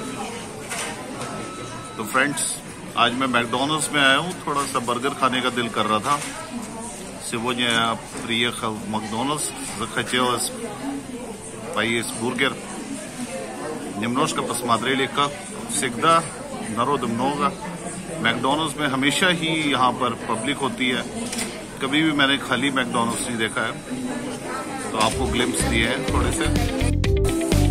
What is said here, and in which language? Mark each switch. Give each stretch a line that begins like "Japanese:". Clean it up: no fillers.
Hindi: Friends, आज मैं McDonald's में आया हूँ, थोड़ा सा बर्गर खाने का दिल कर रहा था.
Russian: Сегодня я приехал в Макдональдс, захотелось поесть бургер. Немножко посмотрели, как всегда, народу много.
Hindi: Макдональдс में हमेशा ही यहाँ पर पब्लिक होती है. कभी भी मैंने खाली मैकडॉनल्ड्स नहीं देखा है. तो आपको ग्लिम्प्स दिए हैं थोड़े से.